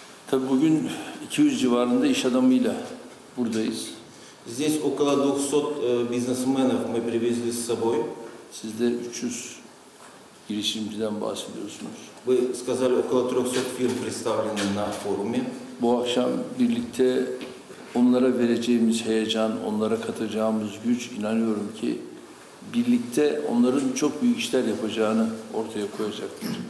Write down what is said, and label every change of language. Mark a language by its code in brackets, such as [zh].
[tr] Tabii bugün 200 civarında iş adamıyla buradayız. [ru] Здесь около 200 бизнесменов мы привезли с собой. [tr] Siz de 300 girişimciden bahsediyorsunuz. [ru] Вы сказали около 300 фирм представлены на форуме. [tr] Bu akşam birlikte onlara vereceğimiz heyecan, onlara katacağımız güç inanıyorum ki birlikte onların çok büyük işler yapacağını ortaya koyacaktır.